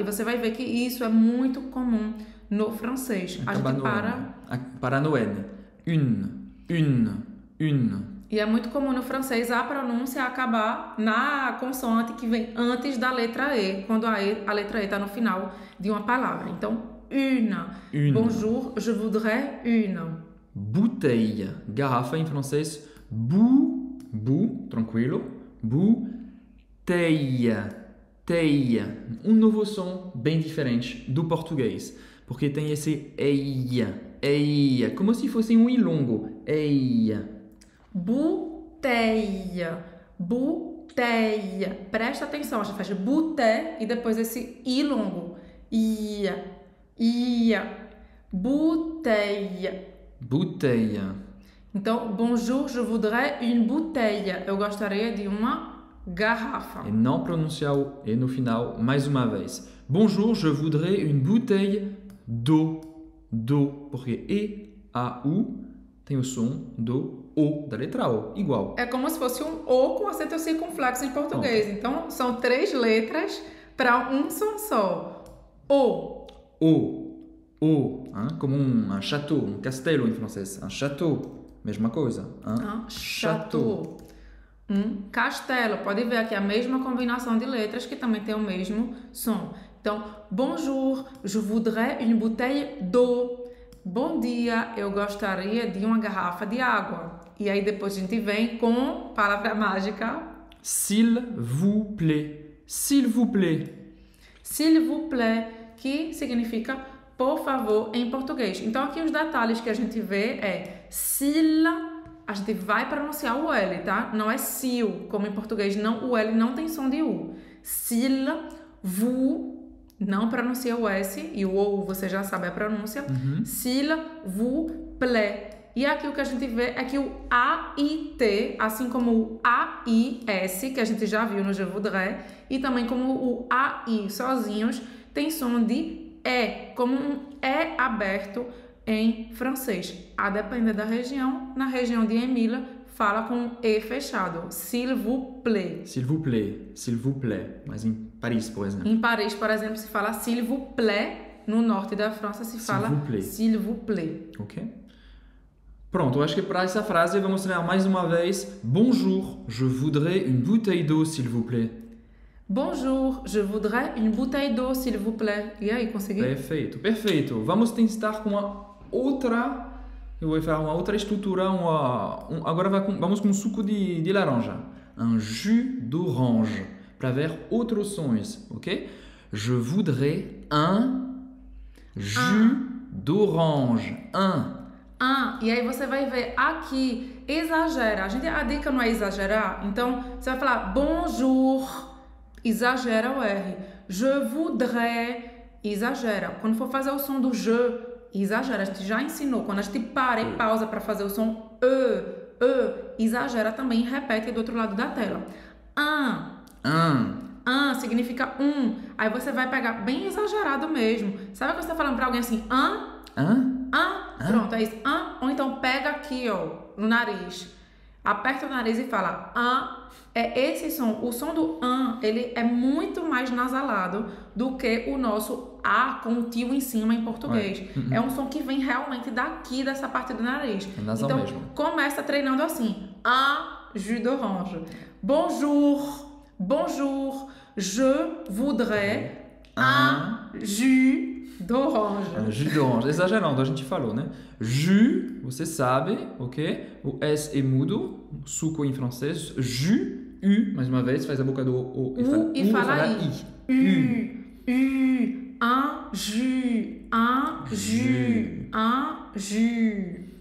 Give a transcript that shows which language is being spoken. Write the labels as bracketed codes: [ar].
[pt] E você vai ver que isso é muito comum no francês. Acaba a gente para... Para no N. Une. Une. Une. E é muito comum no francês a pronúncia acabar na consoante que vem antes da letra E. Quando a letra E está no final de uma palavra. Então, une. [fr] Une. Bonjour, je voudrais une. [pt] Bouteille. Garrafa em francês. Bu, tranquilo. Bu, teia. Teia. Um novo som bem diferente do português. Porque tem esse eia. Eia. Como se fosse um i longo. Eia. Bu, teia. Bu, teia. Presta atenção. A gente faz bu, te e depois esse i longo. Ia. Ia. Bu, teia. Bu, teia. [fr] Então, bonjour, je voudrais une bouteille. [pt] Eu gostaria de uma garrafa. E não pronunciar o E no final, mais uma vez. [fr] Bonjour, je voudrais une bouteille d'eau. [pt] D'eau, porque E, A, U, tem o som do O, da letra O, igual. É como se fosse um O com acento circunflexo em português. Bom. Então, são três letras para um som só. O. O. O. Hein? Como um château, um castelo em francês. Un château. Mesma coisa. Château. Um castelo. Pode ver aqui a mesma combinação de letras que também tem o mesmo som. [fr] Então, bonjour, je voudrais une bouteille d'eau. [pt] Bom dia, eu gostaria de uma garrafa de água. E aí depois a gente vem com palavra mágica. [fr] S'il vous plaît. S'il vous plaît. S'il vous plaît, que significa... [pt] Por favor, em português. Então, aqui os detalhes que a gente vê é s'il, a gente vai pronunciar o L, tá? Não é s'il, como em português, não, o L não tem som de U. [fr] S'il vous, [pt] não pronuncia o S e o OU você já sabe a pronúncia. Uhum. [fr] S'il vous plaît. [pt] E aqui o que a gente vê é que o A, I, T, assim como o A, I, S, que a gente já viu no [fr] Je voudrais, [pt] e também como o A, I sozinhos, tem som de é como um E aberto em francês. A depender da região, na região de Emília, fala com E fechado. [fr] S'il vous plaît. S'il vous plaît. S'il vous plaît. [pt] Mas em Paris, por exemplo. Em Paris, por exemplo, se fala [fr] s'il vous plaît. [pt] No norte da França se fala [fr] s'il vous plaît. S'il vous plaît. [pt] Ok. Pronto, eu acho que para essa frase vamos treinar mais uma vez. [fr] Bonjour, je voudrais une bouteille d'eau, s'il vous plaît. Bonjour, je voudrais une bouteille d'eau, s'il vous plaît. [pt] E aí, consegui? Perfeito, perfeito. Vamos tentar com uma outra... Eu vou falar uma outra estrutura, uma... Agora vamos com suco de laranja. [fr] Un jus d'orange. [pt] Para ver outros sons, ok? [fr] Je voudrais un jus d'orange. Un. [pt] Ah, e aí você vai ver aqui, exagera. A dica não é exagerar? Então, você vai falar bonjour, exagera o R. Je voudrais, exagera. Quando for fazer o som do je, exagera. A gente já ensinou. Quando a gente para e pausa para fazer o som e, exagera também. Repete do outro lado da tela. [fr] Un. Un. [pt] Un significa um. Aí você vai pegar bem exagerado mesmo. Sabe quando você está falando para alguém assim, un? [fr] Un? [pt] Un. Pronto, é isso. Un. Ou então pega aqui, ó, no nariz. Aperta o nariz e fala un. É esse som. O som do un, ele é muito mais nasalado do que o nosso A com o tio em cima em português. É um som que vem realmente daqui, dessa parte do nariz. É nasal então, mesmo. Começa treinando assim. [fr] Un jus d'orange. Bonjour. Bonjour. Je voudrais un jus d'orange. Un jus d'orange. [pt] Exagerando, a gente falou, né? Jus, você sabe, ok? O S é mudo, suco em francês. Jus, U, mais uma vez, faz a boca do O [fr] e fala I. I. U, U, un jus, un jus, un jus.